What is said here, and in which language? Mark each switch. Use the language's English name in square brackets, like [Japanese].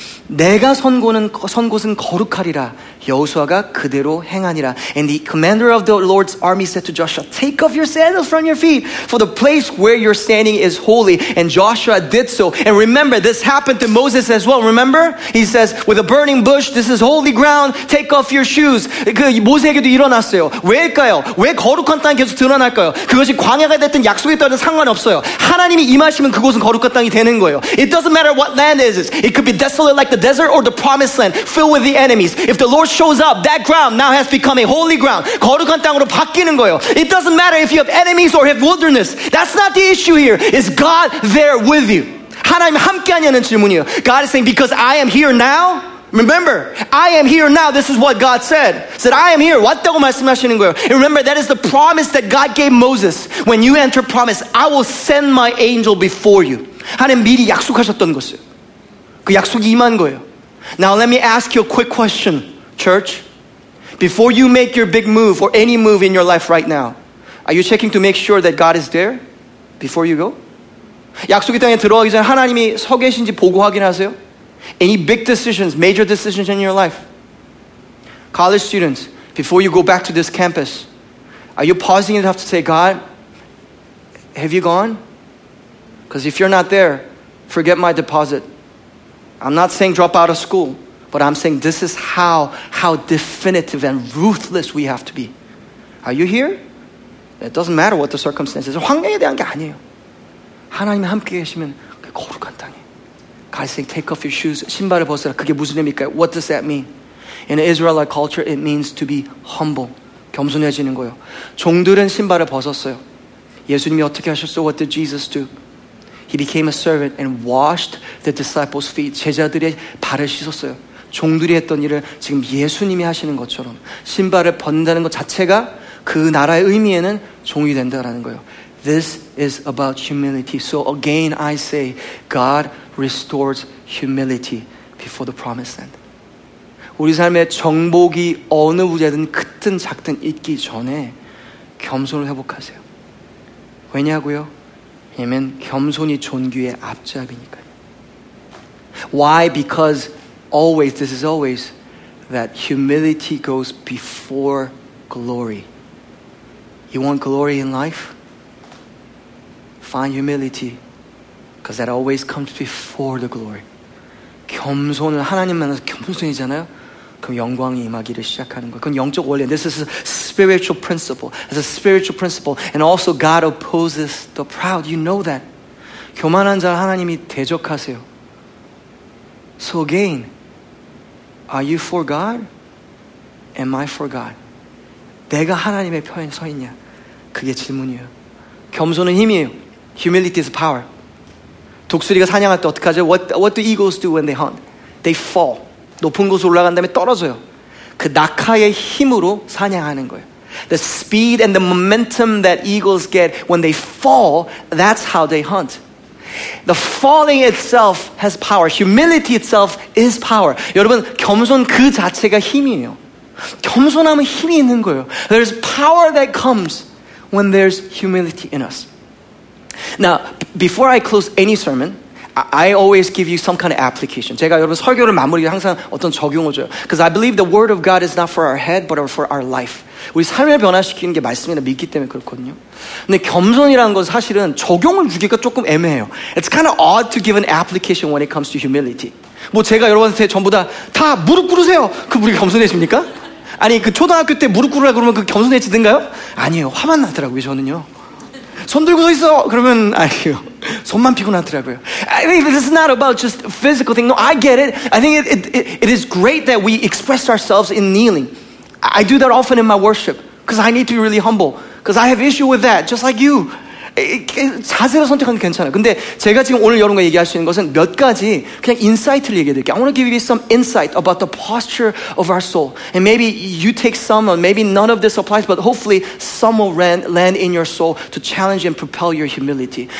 [Korean] 내가 선 곳은 거룩하리라. 여호수아가 그대로 행하니라. [English] And the commander of the Lord's army said to Joshua, take off your sandals from your feet, for the place where you're standing is holy. And Joshua did so. And remember, this happened to Moses as well. Remember? He says, with a burning bush, this is holy ground, take off your shoes. [Korean] 그 모세에게도 일어났어요. 왜일까요? 왜 거룩한 땅이 계속 드러날까요? 그것이 광야가 됐든 약속에 따른 상관없어요. 하나님이 임하시면 그곳은 거룩한 땅이 되는 거예요. [English] It doesn't matter what land is. It could be desolate like the desert or the promised land filled with the enemies. If the Lord shows up, that ground now has become a holy ground. [Korean] 거룩한 땅으로 바뀌는 거예요. [English] It doesn't matter if you have enemies or have wilderness. That's not the issue here. Is God there with you? [Korean] 하나님 함께 하냐는 질문이에요. [English] God is saying, because I am here now. Remember, I am here now. This is what God said. He said, I am here. [Korean] 왔다고 말씀하시는 거예요. [English] And remember, that is the promise that God gave Moses. When you enter promise, I will send my angel before you. [Korean] 하나님 미리 약속하셨던 것이에요. 그 약속이 임한 거예요. [English] Now let me ask you a quick question, church. Before you make your big move or any move in your life right now, are you checking to make sure that God is there before you go? [Korean] 약속의 땅에 들어가기 전에 하나님이 서 계신지 보고 확인하세요. [English] Any big decisions, major decisions in your life? College students, before you go back to this campus, are you pausing enough to say, God, have you gone? Because if you're not there, forget my deposit. I'm not saying drop out of school, but I'm saying this is how definitive and ruthless we have to be. Are you here? It doesn't matter what the circumstances. [Korean] 황야에 대한 게 아니에요. 하나님이 함께 계시면 그 거룩한 땅에. [English] God is saying, take off your shoes. [Korean] 신발을 벗으라. 그게 무슨 의미일까요? [English] What does that mean? In Israelite culture, it means to be humble. [Korean] 겸손해지는 거예요. 종들은 신발을 벗었어요. 예수님이 어떻게 하셨어요? [English] What did Jesus do? He became a servant and washed the disciples' feet. [Korean] 제자들의 발을 씻었어요. 종들이 했던 일을 지금 예수님이 하시는 것처럼 신발을 벗는다는 것 자체가 그 나라의 의미에는 종이 된다라는 거예요. [English] This is about humility. So again, I say, God restores humility before the promised land. [Korean] 우리 삶의 정복이 어느 부자든 크든 작든 있기 전에 겸손을 회복하세요. 왜냐고요? 왜냐면 겸손이 존귀의 앞잡이니까요. [English] Why? Because always, this is always, that humility goes before glory. You want glory in life? Find humility, because that always comes before the glory. [Korean] 겸손을 하나님 만나서 겸손이잖아요. 그럼 영광이 임하기를 시작하는 거예요. 그건 영적 원리예요. [English] This is a spiritual principle. It's a spiritual principle. And also God opposes the proud. You know that. [Korean] 교만한 자를 하나님이 대적하세요. [English] So again, are you for God? Am I for God? [Korean] 내가 하나님의 편에 서 있냐? 그게 질문이에요. 겸손은 힘이에요. [English] Humility is power. [Korean] 독수리가 사냥할 때 어떡하죠? [English] What do eagles do when they hunt? They fall. [Korean] 높은 곳으로 올라간 다음에 떨어져요. 그 낙하의 힘으로 사냥하는 거예요. [English] The speed and the momentum that eagles get when they fall, that's how they hunt. The falling itself has power. Humility itself is power. [Korean] 여러분, 겸손 그 자체가 힘이에요. 겸손하면 힘이 있는 거예요. [English] There's power that comes when there's humility in us. Now, before I close any sermon, I always give you some kind of application. [Korean] 제가 여러분 설교를 마무리할 항상 어떤 적용을 줘요. [English] Because I believe the word of God is not for our head, but for our life. [Korean] 우리 삶을 변화시키는 게 말씀이라 믿기 때문에 그렇거든요. 근데 겸손이라는 건 사실은 적용을 주기가 조금 애매해요. [English] It's kind of odd to give an application when it comes to humility. [Korean] 뭐 제가 여러분한테 전부 다 무릎 꿇으세요. 그 우리 겸손해집니까? 아니 그 초등학교 때 무릎 꿇으라 그러면 그 겸손해지든가요? 아니에요. 화만 나더라고요, 저는요. 손 들고 서 있어 그러면 아니요 손만 피곤하더라고요. [English] I mean, this is not about just physical thing. No, I get it. I think it is great that we express ourselves in kneeling. I do that often in my worship because I need to be really humble because I have issue with that, just like you. [Korean] 자세를 선택하는 게 괜찮아요. 근데 제가 지금 오늘 여러분과 얘기할 수 있는 것은 몇 가지 그냥 인사이트를 얘기해드릴게요. [English] I want to give you some insight about the posture of our soul. And maybe you take some, or maybe none of this applies, but hopefully some will land in your soul to challenge and propel your humility.